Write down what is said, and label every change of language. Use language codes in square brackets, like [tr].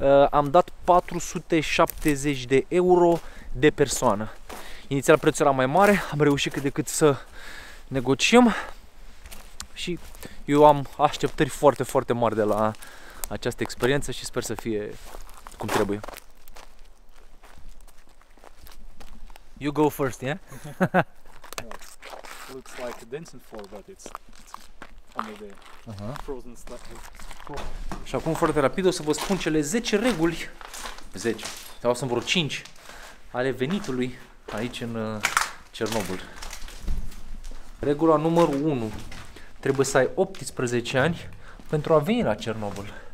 [ro] Am dat 470 de euro de persoană. Inițial prețul era mai mare, am reușit cât de cât să negociem. Și eu am așteptări foarte, foarte mari de la această experiență și sper să fie cum trebuie. [en] You go first, yeah? Well, looks like a dancing floor, but it's under the frozen stuff. [ro] Și acum foarte rapid o să vă spun cele 10 reguli. 10. Sau sunt vreo 5 ale venitului aici în Cernobâl. Regula numărul 1. Trebuie să ai 18 ani pentru a veni la Cernobâl.